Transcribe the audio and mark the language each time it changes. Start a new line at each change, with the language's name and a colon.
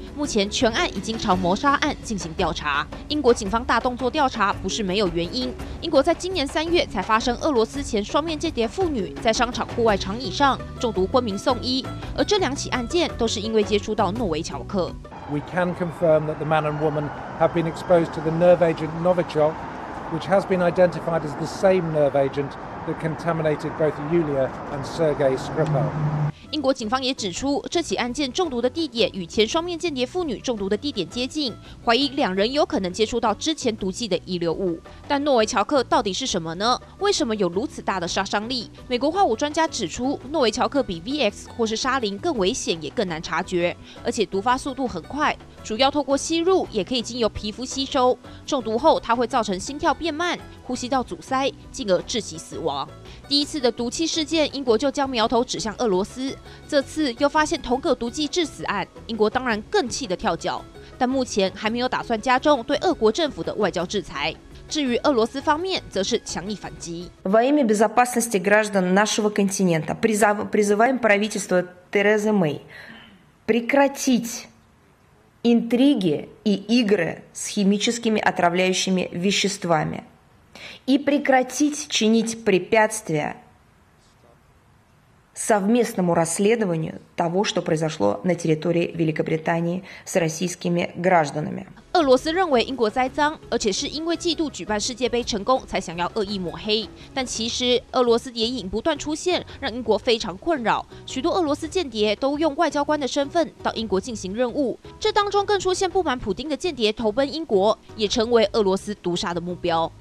Chinese: 目前全案已经朝谋杀案进行调查。英国警方大动作调查不是没有原因，英国在今年3月才发生俄罗斯前双面间谍妇女在商场户外长椅上中毒昏迷送医，而这两起案件都是因为接触到诺维乔克。
English: We can confirm that the man and woman have been exposed to the nerve agent Novichok, which has been identified as the same nerve agent that contaminated both Yulia and Sergei Skripal.
Chinese: 英国警方也指出，这起案件中毒的地点与前双面间谍妇女中毒的地点接近，怀疑两人有可能接触到之前毒剂的遗留物。但诺维乔克到底是什么呢？为什么有如此大的杀伤力？美国化武专家指出，诺维乔克比 VX 或是沙林更危险，也更难察觉，而且毒发速度很快，主要透过吸入，也可以经由皮肤吸收。中毒后，它会造成心跳变慢、呼吸道阻塞，进而窒息死亡。第一次的毒气事件，英国就将苗头指向俄罗斯，这次又发现同个毒剂致死案，英国当然更气得跳脚，但目前还没有打算加重对俄国政府的外交制裁。至于俄罗斯方面，则是强力反击。
Russian: Во имя безопасности граждан нашего континента призываем правительство Терезы Мэй прекратить интриги и игры с химическими отравляющими веществами. И прекратить чинить препятствия совместному расследованию того, что произошло на территории Великобритании с российскими гражданами.
Chinese: 俄罗斯认为英国栽赃，而且是因为嫉妒举办世界杯成功才想要恶意抹黑。但其实俄罗斯谍影不断出现，让英国非常困扰。许多俄罗斯间谍都用外交官的身份到英国进行任务，这当中更出现不满普丁的间谍投奔英国，也成为俄罗斯毒杀的目标。